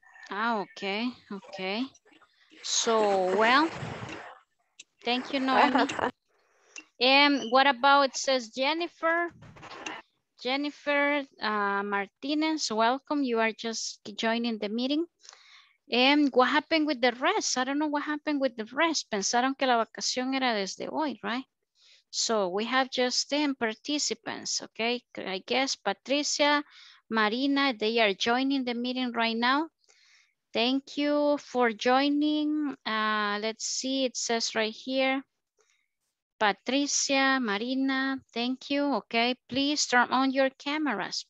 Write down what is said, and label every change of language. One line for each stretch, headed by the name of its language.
English: Ah, okay, okay. So, well, thank you, Noemi. And what about, it says Jennifer. Jennifer Martinez, welcome. You are just joining the meeting. And what happened with the rest? I don't know what happened with the rest.
Spanish: Pensaron que la vacación era desde hoy, right?
English: So we have just 10 participants, okay? I guess Patricia, Marina, they are joining the meeting right now. Thank you for joining. Let's see, it says right here. Patricia, Marina, thank you. Okay, please turn on your cameras.